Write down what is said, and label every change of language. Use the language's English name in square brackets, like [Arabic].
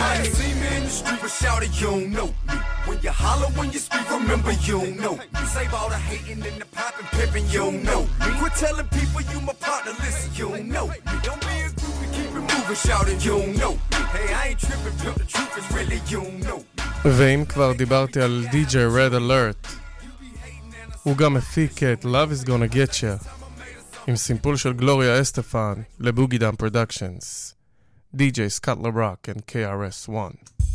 [English] I see me in the street, but shout it, you don't know me. When you holler, when you speak, remember, you don't know me. You save all the hating and the popping, pipping, you don't know me. Quit telling people you my partner, listen, you don't know me. Don't be as goofy, keep it moving, shouting, you don't know me. Hey, I ain't tripping, pimp, the truth is really, you don't know me. [Hebrew] ואם כבר דיברתי על DJ Red Alert, הוא גם מפיק את Love Is Gonna Get Ya עם סימפול של גלוריה אסטפן לבוגי דאם פרודקשנס. DJ סקוט לרוק and KRS-One.